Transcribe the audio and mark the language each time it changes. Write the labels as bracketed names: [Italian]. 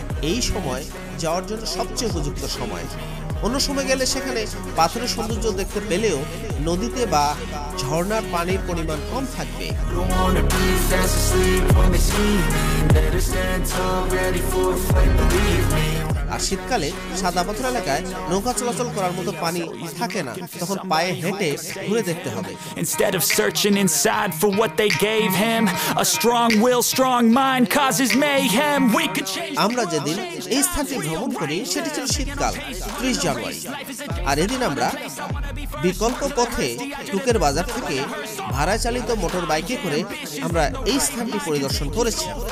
[Bangla] এই সময় যাওয়ার জন্য সবচেয়ে উপযুক্ত সময়। অন্য সময় গেলে সেখানে পাথরের সৌন্দর্য দেখতে পেলেও নদীতে বা ঝর্ণার পানির পরিমাণ কম থাকবে। আর শীতকালে সাদা পাথর এলাকায় নৌকা চলাচল করার মতো পানি থাকে না, তখন পায়ে হেঁটে ঘুরে দেখতে হবে। [English] Instead of searching inside for what they gave him, a strong will, strong mind causes mayhem. We could change. [Bangla] আমরা যেদিন এই স্থানটি ভ্রমণ করি সেটি ছিল শীতকাল, 30 জানুয়ারি। আর এদিন আমরা বিকল্প পথে টুকের বাজার থেকে ভাড়া চালিত মোটর বাইকে করে আমরা এই স্থানটি পরিদর্শন করেছি।